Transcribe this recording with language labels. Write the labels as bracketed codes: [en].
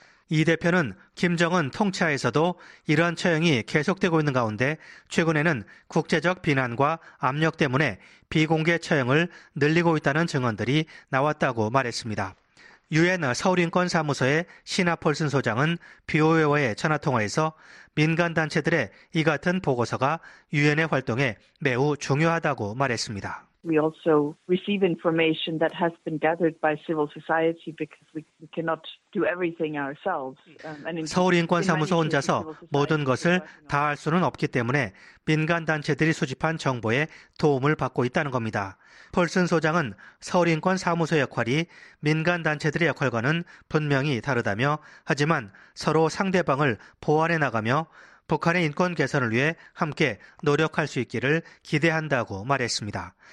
[ko] 이 대표는 김정은 통치하에서도 이러한 처형이 계속되고 있는 가운데 최근에는 국제적 비난과 압력 때문에 비공개 처형을 늘리고 있다는 증언들이 나왔다고 말했습니다. 유엔 서울인권사무소의 시나 폴슨 소장은 BOA와의 전화통화에서 민간단체들의 이 같은 보고서가 유엔의 활동에 매우 중요하다고 말했습니다. [en] We also receive information that has been gathered by civil society because we cannot do everything ourselves. [ko] 서울인권사무소 혼자서 모든 것을 다 할 수는 없기 때문에 민간단체들이 수집한 정보에 도움을 받고 있다는 겁니다. 폴슨 소장은 서울인권사무소 역할이 민간단체들의 역할과는 분명히 다르다며 하지만 서로 상대방을 보완해 나가며 북한의 인권 개선을 위해 함께 노력할 수 있기를 기대한다고 말했습니다.